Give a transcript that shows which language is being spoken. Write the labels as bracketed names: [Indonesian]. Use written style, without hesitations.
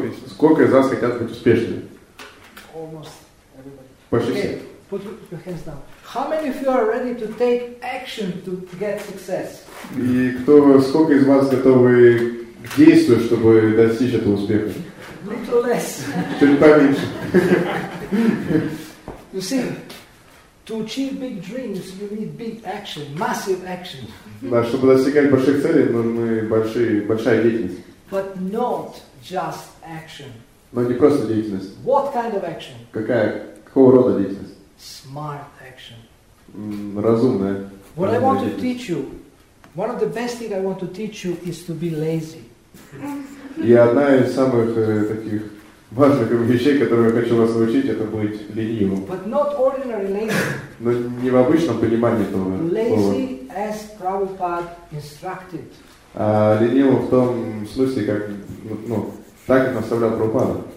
[Russian] Сколько из вас хотят быть успешными? [English] Almost everybody. [Russian] Почти все. [English] Put your hands down. How many of you are ready to take action to get success? [Russian] И сколько из вас готовы действовать, чтобы достичь этого успеха? [English] Little less. [Russian] Чуть поменьше. [English] You see, to achieve big dreams, you need big action, massive action. [Russian] Да, чтобы достигать больших целей, нужны большая деятельность. [English] But not just action. [Russian] Но не просто деятельность. [English] What kind of action? [Russian] Какого рода деятельность? [English] Smart action. [Russian] Разумная. [English] What I want to teach you, one of the best things I want to teach you is to be lazy. [Russian] И одна из самых таких важных вещей, которую я хочу вас научить, это быть ленивым. [English] But not ordinary lazy. [Russian] Но не в обычном понимании этого. [English] Lazy as Prabhupada instructed. [Russian] А ленивым в том смысле, как так наставлял Прабхупада.